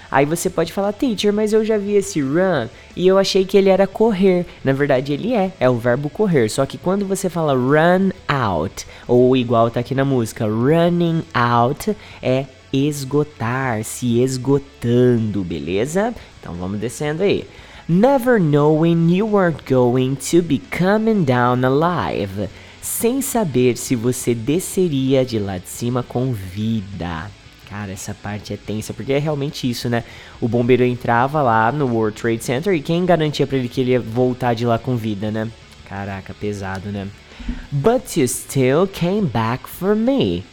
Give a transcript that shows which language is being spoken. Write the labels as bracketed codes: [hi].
[pt] Aí você pode falar, teacher, mas eu já vi esse run e eu achei que ele era correr. Na verdade ele é o verbo correr, só que quando você fala run out, ou igual tá aqui na música, running out, é esgotar, se esgotando, beleza? Então vamos descendo aí. [en] Never knowing you were going to be coming down alive. [pt] Sem saber se você desceria de lá de cima com vida. Cara, essa parte é tensa, porque é realmente isso, né? O bombeiro entrava lá no World Trade Center e quem garantia pra ele que ele ia voltar de lá com vida, né? Caraca, pesado, né? [en] But you still came back for me.